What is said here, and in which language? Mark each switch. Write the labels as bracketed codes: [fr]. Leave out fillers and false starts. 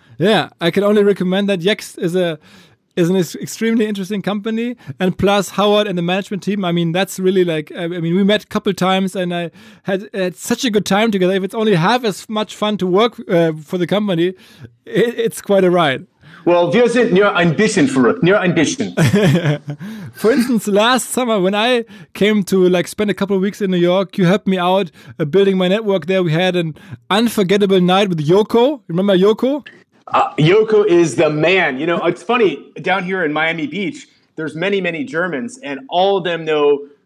[en] Yeah, I can only recommend that. Yext is an extremely interesting company. And plus Howard and the management team, I mean, that's really like, I mean, we met a couple times and I had such a good time together. If it's only half as much fun to work for the company, it's quite a ride. [de] Well, wir sind nur ein bisschen verrückt, nur ein bisschen. [en] For instance, last summer when I came to like spend a couple of weeks in New York, you helped me out building my network there. We had an unforgettable night with Yoko. Remember Yoko? Yoko is the man. You know, it's funny, down here in Miami Beach, there's many, many Germans, and all of them know